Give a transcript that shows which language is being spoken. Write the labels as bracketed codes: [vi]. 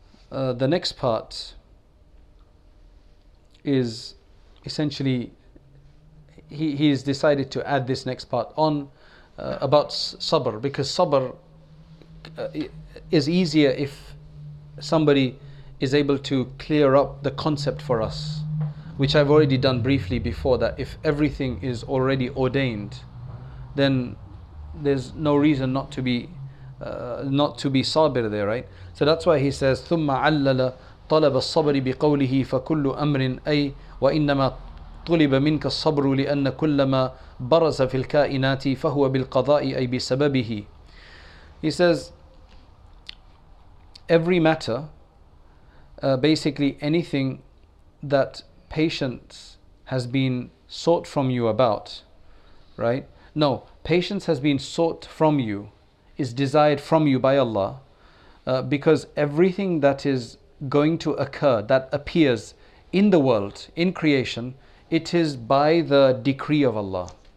[en] The next part is essentially, he has decided to add this next part on about sabr, because sabr is easier if somebody is able to clear up the concept for us, which I've already done briefly before, that if everything is already ordained, then there's no reason not to be sabir there, right? So that's why he says [ar] ثُمَّ عَلَّلَ طَلَبَ الصَّبْرِ بِقَوْلِهِ فَكُلُّ أَمْرٍ أَيْ وَإِنَّمَا طُلِبَ مِنْكَ الصَّبْرُ لِأَنَّ كُلَّمَا بَرَزَ فِي الْكَائِنَاتِ فَهُوَ بِالْقَضَاءِ أَيْ بِسَبَبِهِ. [en] He says every matter, basically anything that patience has been sought from you about, right? No, patience has been sought from you, is desired from you by Allah, because everything that is going to occur, that appears in the world, in creation, it is by the decree of Allah.